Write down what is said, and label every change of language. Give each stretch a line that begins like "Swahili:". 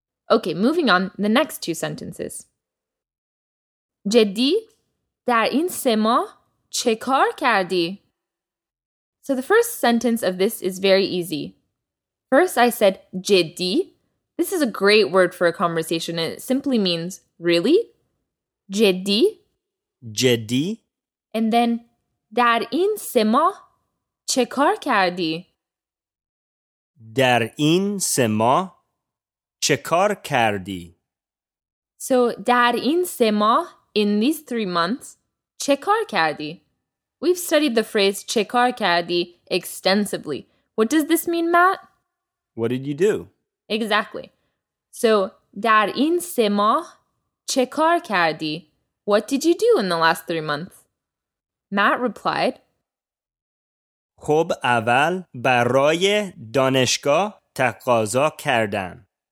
English: Okay, moving on, the next two sentences.
Persian: جدی در این سه ماه چه کار کردی؟
English: So the first sentence of this is very easy. First I said جدی. This is a great word for a conversation, and it simply means, really?
Persian: جدی. جدی.
English: And then,
Persian: در این سه ماه چه کار کردی؟ در این سه ماه چه کار کردی؟
English: So,
Persian: در این سه ماه,
English: in these 3 months,
Persian: چه کار کردی؟
English: We've studied the phrase
Persian: چه کار کردی
English: extensively. What does this mean, Matt? What did you do? Exactly.
Persian: So, در این سه ماه چه کار کردی?
English: What did you do in the last 3 months? Matt replied,
Persian: خب اول برای دانشگاه تقاضا کردم.